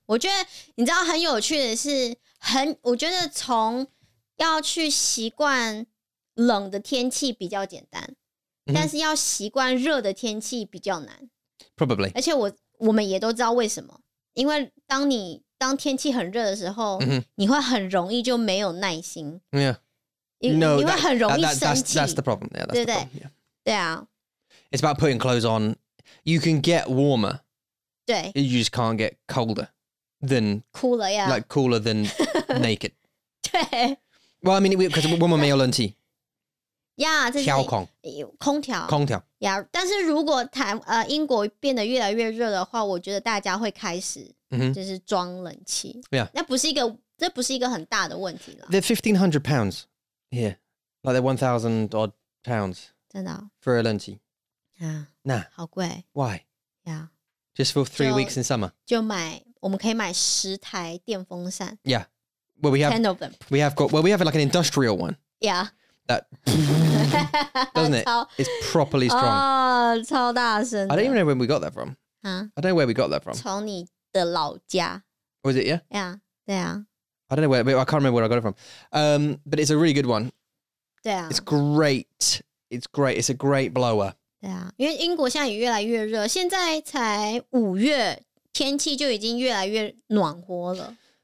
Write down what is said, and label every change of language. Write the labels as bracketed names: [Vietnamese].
[Chinese] 我覺得你知道很有趣的是, 我覺得從要去習慣冷的天氣比較簡單, mm-hmm. 但是要習慣熱的天氣比較難。 [English] Probably. [Chinese] 而且我們也都知道為什麼,因為當你... 当天气很热的时候, mm-hmm. 你会很容易就没有耐心。 [English] Yeah. [Chinese] No, 你会很容易生气。 [English] That's the problem. Yeah, that's [Chinese] 对不对? [English] The problem. [Chinese] Yeah. 对啊。 [English] It's about putting clothes on. You can get warmer. [Chinese] 对。 [English] You just can't get colder than... Cooler, yeah. Like cooler than naked. [Chinese] 对。 [English] Well, I mean, because women [Chinese] 没有冷气。 Yeah, 这是空调。空调。 Yeah, 但是如果台, 英国变得越来越热的话, 我觉得大家会开始... Mm-hmm. 就是装冷气, [English] yeah. [Chinese] 那不是一个, 这不是一个很大的问题了。 [English] They're £1,500 here, like they're 1,000 odd pounds. [Chinese] 真的? [English] For a 冷气. Yeah. Nah. [Chinese] 好贵. [English] Why? Yeah. Just for 3 weeks in summer. [Chinese] 就买, 我们可以买10台电风扇. [English] Yeah. Well, we have 10 of them. We have got, well, we have like an industrial one. Yeah. That doesn't it? [Chinese] 超, [English] it's properly strong. [Chinese] Oh, 超大声的. [English] I don't even know where we got that from. Huh? I don't know where we got that from. [Chinese] 从你 的老家. [English] Was it, yeah? [Chinese] Yeah, 对啊. [English] I don't know where, I can't remember where I got it from. But it's a really good one. [Chinese] 对啊. [English] It's great. It's great. It's a great blower. [Chinese] 对啊, 因为英国现在也越来越热, 现在才5月, 天气就已经越来越暖和了.